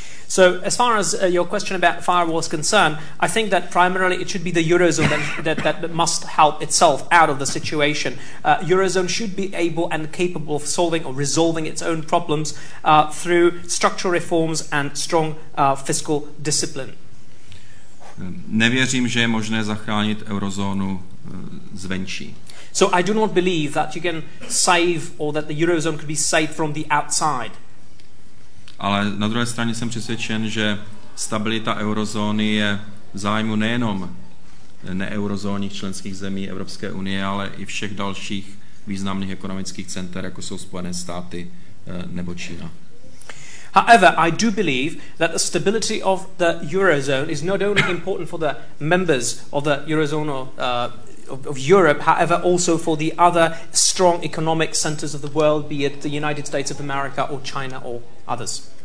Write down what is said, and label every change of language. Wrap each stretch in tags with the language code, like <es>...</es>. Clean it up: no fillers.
<en>So as far as your question about firewall is concerned, I think that primarily it should be the eurozone that must help itself out of the situation. Eurozone should be able and capable of solving or resolving its own problems through structural reforms and strong fiscal discipline.</en> <cs>Nevěřím, že je možné zachránit eurozónu zvenčí.</cs> <en>So I do not believe that you can save or that the eurozone could be saved from the outside.</en> <cs>Ale na druhé straně jsem přesvědčen, že stabilita eurozóny je v zájmu nejenom neeurozónních členských zemí Evropské unie, ale i všech dalších významných ekonomických center, jako jsou Spojené státy nebo Čína.</cs> <en>However, I do believe that the stability of the eurozone is not only important for the members of the eurozone of Europe, however, also for the other strong economic centers of the world, be it the United States of America or China or others.</en>